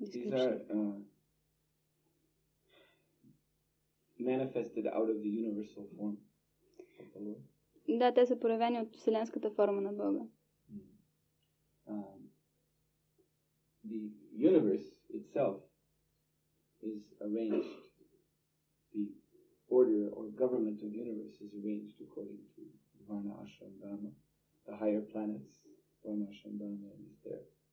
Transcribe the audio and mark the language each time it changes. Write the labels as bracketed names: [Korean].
[English] These are manifested out of the universal form of the Lord. [Bulgarian] Да, те са проявени от вселенската форма на Бога. [English] The universe itself is arranged, the order or government of the universe is arranged according to Varna Ashram Dharma, the higher planets, Varna Ashram Dharma is there.